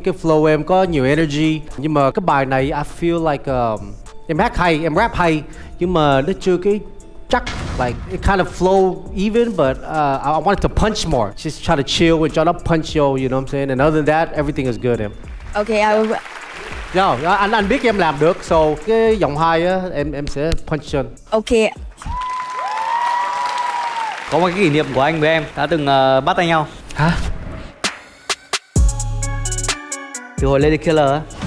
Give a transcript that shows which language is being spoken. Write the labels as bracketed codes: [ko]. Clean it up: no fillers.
[vi] Cái flow em có nhiều energy. Nhưng mà cái bài này [en] I feel like [vi] em hát hay, em rap hay. Nhưng mà nó chưa cái chắc. [en] Like it kind of flow even, but I wanted to punch more. Just try to chill with y'all, not punch y'all, you know what I'm saying? And other than that, everything is good, em. Okay, I will. [vi] No, anh biết em làm được, so cái giọng hai á, em sẽ punch chân. Okay. Có một cái kỷ niệm của anh với em đã từng bắt tay nhau. Hả? Từ hồi Lady Killer á.